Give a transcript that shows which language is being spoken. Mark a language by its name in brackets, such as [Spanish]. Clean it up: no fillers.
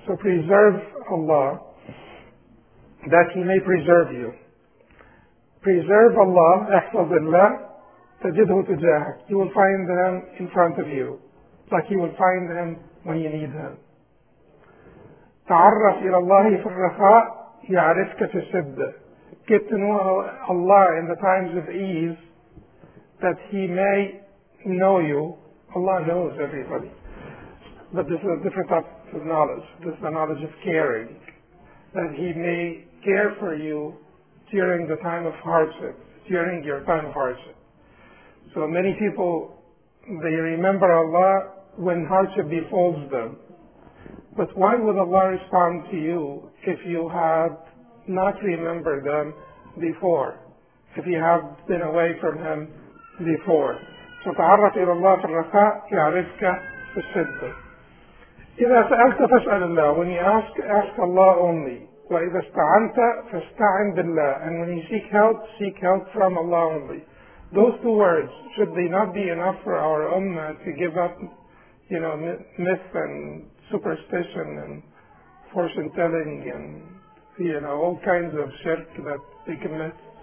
[English] So preserve Allah, that He may preserve you. Preserve Allah, [Arabic] احفظ الله, تجده تجاهك. [English] You will find Him in front of you, like you will find Him when you need Him. [Arabic] تعرف إلى الله في الرخاء يعرفك في الشدة. [English] Get to know Allah in the times of ease, that He may know you. Allah knows everybody. But this is a different type of knowledge. This is the knowledge of caring, that He may care for you during the time of hardship, during your time of hardship. So many people, they remember Allah when hardship befalls them. But why would Allah respond to you if you had not remembered them before, if you have been away from Him before? [Arabic] So تعرف إلى الله في الرخاء يعرفك في الشدة. إذا سألت فاسأل الله. [English] When you ask, ask Allah only. [Arabic] وإذا استعنت فاستعن بالله. [English] And when you seek help from Allah only. Those two words, should they not be enough for our ummah to give up, you know, myth and superstition and fortune telling and, you know, all kinds of shirk that they commit?